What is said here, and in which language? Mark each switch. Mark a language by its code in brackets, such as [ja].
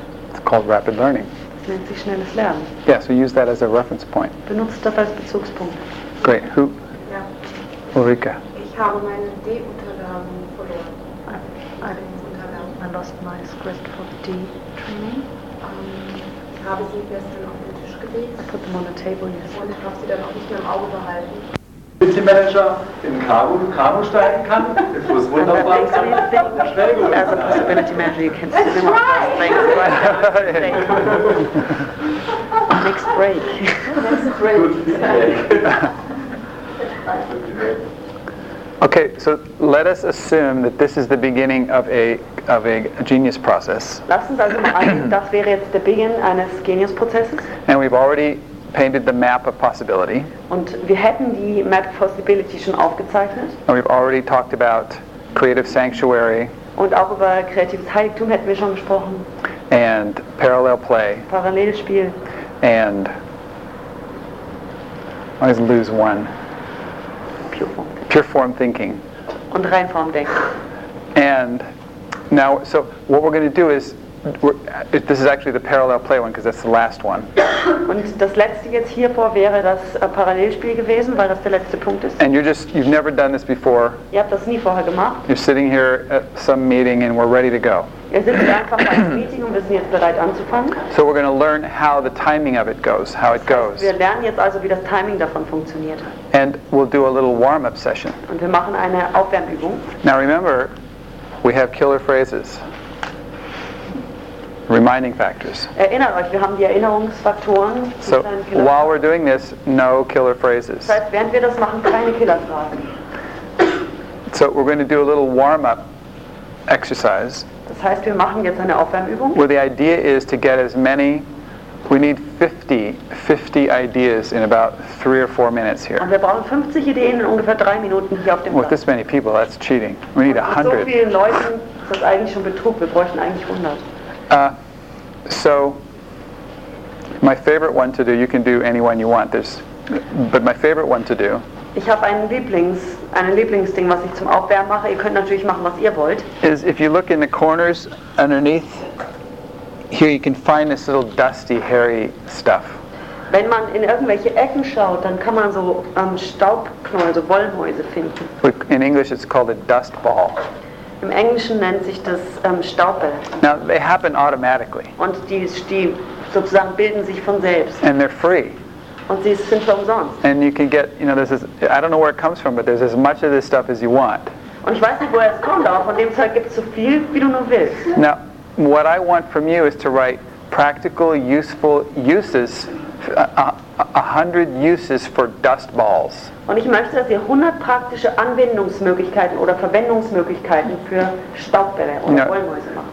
[en] It's called rapid learning. [de] Das nennt sich schnelles Lernen. [en] Yeah, so use that as a reference point. [de] Benutze das als Bezugspunkt. [en] Great. Who? [de] Ja. Ulrika. Ich habe meine D-Unterlagen verloren. [en] I lost my script for the D training. [de] Ich habe sie gestern auf den Tisch gelegt. [en] I put them on the table yesterday. [de] Und ich habe sie dann auch nicht mehr im Auge behalten. Manager im Kanu steigen kann. Das muss wunderbar sein. [en] As a possibility manager, you can sit in on the first break. Next break. Next break. Okay, so let us assume that this is the beginning of a genius process. [de] Lass uns also mal annehmen, das wäre jetzt der Beginn eines Genius-Prozesses. [en] And we've already painted the map of possibility. [de] Und wir hätten die Map of Possibility schon aufgezeichnet. [en] And we've already talked about creative sanctuary. [de] Und auch über kreatives Heiligtum hätten wir schon gesprochen. [en] And parallel play. [de] Parallelspiel. [en] And I always lose one. Pure form thinking. [de] Und rein Form denken. [en] And now, so what we're going to do is this is actually the parallel play one, because that's the last one. [de] Und das letzte jetzt hiervor wäre das Parallelspiel gewesen, weil das der letzte Punkt ist. [en] And you've never done this before. [de] Ihr habt das nie vorher gemacht. [en] You're sitting here at some meeting and we're ready to go. [de] Wir sitzen einfach bei einem Meeting und wir sind jetzt bereit anzufangen. [en] So we're going to learn how the timing of it goes, how it goes. [de] Wir lernen jetzt also, wie das Timing davon funktioniert. [en] And we'll do a little warm-up session. [de] Und wir machen eine Aufwärmübung. [en] Now remember, we have killer phrases. Reminding factors. [de] Erinnert euch, wir haben die Erinnerungsfaktoren. [en] So while we're doing this, no killer phrases. [de] Das heißt, während wir das machen, keine Killerfragen. [en] So we're going to do a little warm-up exercise. [de] Das heißt, wir machen jetzt eine Aufwärmübung. [en] Where the idea is to get as many, we need 50 ideas in about 3 or 4 minutes here. [de] Und wir brauchen 50 Ideen in ungefähr 3 Minuten hier auf dem Platz. [en] With this many people, that's cheating. We need 100. [de] Mit so vielen Leuten ist das eigentlich schon Betrug. Wir bräuchten eigentlich 100. [en] So my favorite one to do, you can do any one you want, there's, but my favorite one to do, [de] ich habe einen Lieblingsding, was ich zum Aufwärmen mache. Ihr könnt natürlich machen, was ihr wollt. [en] Is if you look in the corners underneath here, you can find this little dusty hairy stuff. [de] Wenn man in irgendwelche Ecken schaut, dann kann man so Staubknäuel, so Wollmäuse finden. [en] In English it's called a dust ball. [de] Im Englischen nennt sich das Staupel. [en] Now they happen automatically. [de] Und die sozusagen bilden sich von selbst. [en] And they're free. [de] Und sie sind für umsonst. [en] And you can get, you know, this is, I don't know where it comes from, but there's as much of this stuff as you want. [de] Und ich weiß nicht, woher es kommt, aber von dem Zeug gibt's so viel, wie du nur willst. [en] Now, what I want from you is to write practical, useful uses, 100 uses for dust balls. [de] Und ich möchte, dass ihr 100 praktische Anwendungsmöglichkeiten oder Verwendungsmöglichkeiten für Staubbälle oder Wollmäuse macht.